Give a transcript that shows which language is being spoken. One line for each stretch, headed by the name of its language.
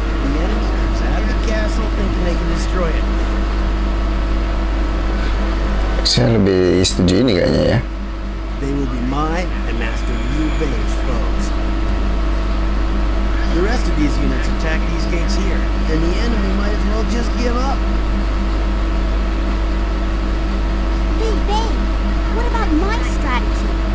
English: The enemy comes out of the castle thinking they can destroy it.
Indonesian: Saya lebih setuju ini kayaknya ya.
English: They will be my and Master Liu Bei's foes. The rest of these units attack these gates here, and the enemy might as well just give up. Liu Bei, what about my strategy?